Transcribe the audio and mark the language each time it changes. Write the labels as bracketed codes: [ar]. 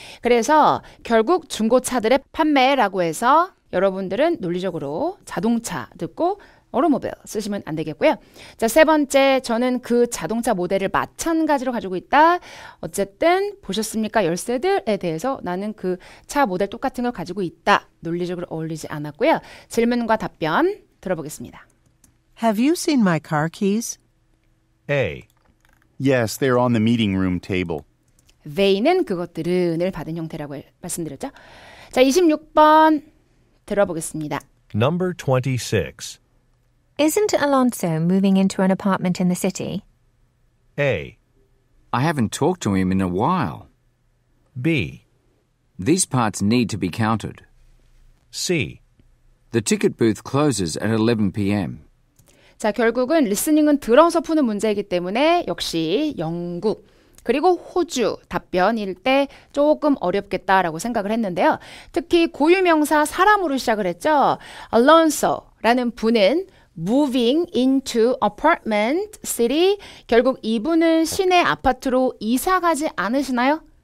[ko] 그래서 결국 중고차들의 판매라고 해서 여러분들은 논리적으로 자동차 듣고 automobile 쓰시면 안 되겠고요. 자, 세 번째, 저는 그 자동차 모델을 마찬가지로 가지고 있다. 어쨌든 보셨습니까? 열쇠들에 대해서 나는 그 차 모델 똑같은 걸 가지고 있다. 논리적으로 어울리지 않았고요. 질문과 답변 들어보겠습니다. [en] Have you seen my car keys? A. Yes, they're on the meeting room table. [ko] They는 그것들을 받은 형태라고 말씀드렸죠. 자, 26번 들어보겠습니다. [en] Number 26. Isn't Alonso moving into an apartment in the city? A. I haven't talked to him in a while. B. These parts need to be counted. C. The ticket booth closes at 11 p.m. [ko] 자, 결국은 리스닝은 들어서 푸는 문제이기 때문에 역시 영국 그리고 호주 답변일 때 조금 어렵겠다라고 생각을 했는데요. 특히 고유명사 사람으로 시작을 했죠. Alonso라는 분은 [en] moving into apartment city [ko] 결국 이분은 시내 아파트로 이사 가지 않으시나요?